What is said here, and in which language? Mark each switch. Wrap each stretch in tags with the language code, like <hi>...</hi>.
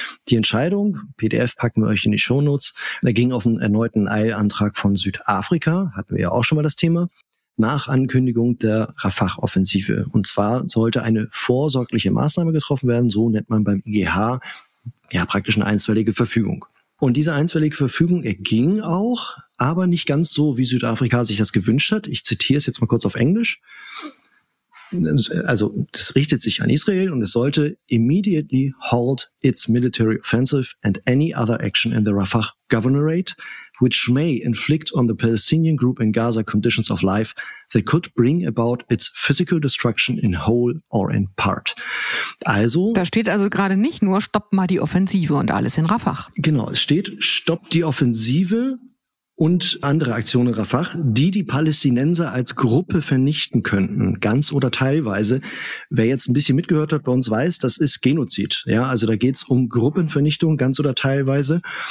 <de>Die Entscheidung, PDF packen wir euch in die Shownotes, er ging auf einen erneuten Eilantrag von Südafrika, hatten wir ja auch schon mal das Thema, nach Ankündigung der Rafah-Offensive. Und zwar sollte eine vorsorgliche Maßnahme getroffen werden, so nennt man beim IGH ja praktisch eine einstweilige Verfügung. Und diese einstweilige Verfügung erging auch, aber nicht ganz so, wie Südafrika sich das gewünscht hat. Ich zitiere es jetzt mal kurz auf Englisch. Also, das richtet sich an Israel und es sollte</de> <en>immediately halt its military offensive and any other action in the Rafah Governorate, which may inflict on the Palestinian group in Gaza conditions of life that could bring about its physical destruction in whole or in part.</en> <de>Also, da steht also gerade nicht nur, stopp mal die Offensive und alles in Rafah. Genau, es steht, stopp die Offensive und andere Aktionen Rafah, die Palästinenser als Gruppe vernichten könnten, ganz oder teilweise. Wer jetzt ein bisschen mitgehört hat bei uns, weiß, das ist Genozid. Ja, also da geht's um Gruppenvernichtung, ganz oder teilweise.</de>